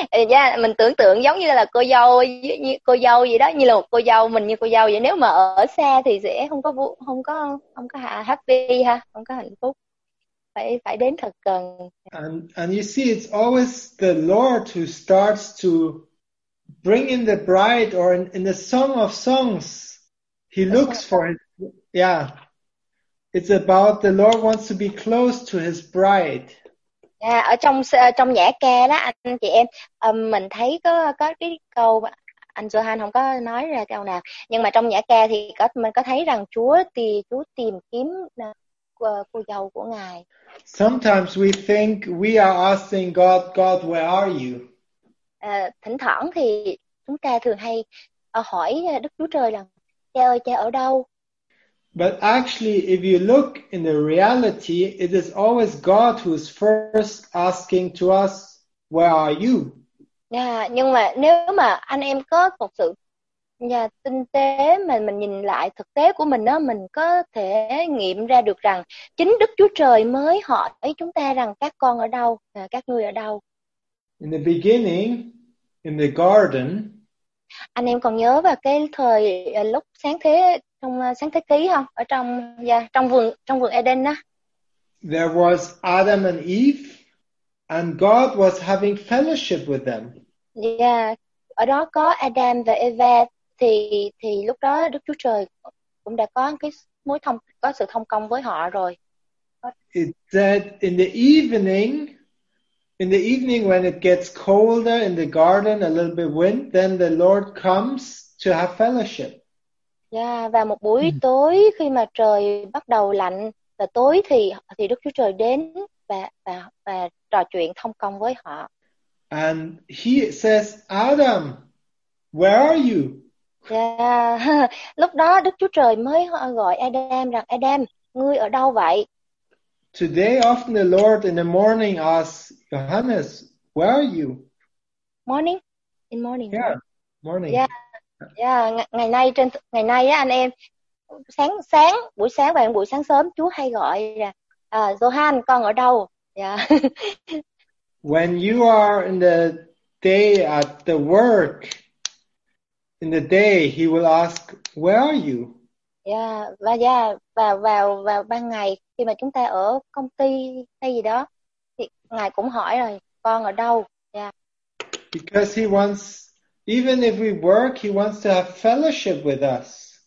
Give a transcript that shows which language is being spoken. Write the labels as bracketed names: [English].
[Vietnamese] Yeah, mình tưởng tượng giống như là cô dâu vậy đó, như là cô dâu mình, như cô dâu vậy. Nếu mà ở xa thì sẽ không có happy ha, không có hạnh phúc. Phải đến thật gần. [English] And you see, it's always the Lord who starts to bring in the bride, or in the Song of Songs, he looks for it. Yeah, it's about the Lord wants to be close to his bride. [Vietnamese] Yeah, ở trong trong Nhã Ca đó anh chị em, mình thấy có cái câu anh Johan không có nói ra câu nào, nhưng mà trong Nhã Ca thì mình có thấy rằng Chúa tìm kiếm cô dâu của Ngài. [English] Sometimes we think we are asking God, God, where are you? [Vietnamese] Thỉnh thoảng thì chúng ta thường hay hỏi Đức Chúa Trời là cha ơi, cha ở đâu? [English] But actually, if you look in the reality, it is always God who is first asking to us, where are you? [Vietnamese] Yeah, nhưng mà nếu mà anh em có một sự tinh tế mà mình nhìn lại thực tế của mình đó, mình có thể nghiệm ra được rằng chính Đức Chúa Trời mới hỏi chúng ta rằng các con ở đâu, các ngươi ở đâu. [English] In the beginning, in the garden. [Vietnamese] Anh em còn nhớ vào cái thời lúc sáng thế, trong sáng thế ký không? Ở trong trong vườn Eden đó. [English] There was Adam and Eve, and God was having fellowship with them. [Vietnamese] Yeah, ở đó có Adam và Eva, thì lúc đó Đức Chúa Trời cũng đã có cái mối thông, có sự thông công với họ rồi. [English] It said in the evening. In the evening when it gets colder in the garden, a little bit wind, then the Lord comes to have fellowship. [Vietnamese] Yeah, và một buổi tối khi mà trời bắt đầu lạnh và tối thì Đức Chúa Trời đến và trò chuyện thông công với họ. [English] And he says, Adam, where are you? [Vietnamese] Yeah, lúc đó Đức Chúa Trời mới gọi Adam rằng Adam, ngươi ở đâu vậy? [English] Today, often the Lord in the morning asks, Johannes, where are you? Morning? In morning. Yeah, morning. Yeah, yeah. [Vietnamese] Ngày nay á anh em, sáng, buổi sáng và buổi sáng sớm, Chúa hay gọi là, Johan, con ở đâu? Yeah. [English] When you are in the day at the work, in the day, he will ask, where are you? [Vietnamese] Yeah, và yeah, vào ban ngày khi mà chúng ta ở công ty hay gì đó thì Ngài cũng hỏi rồi, con ở đâu? Yeah. [English] Because he wants, even if we work, he wants to have fellowship with us.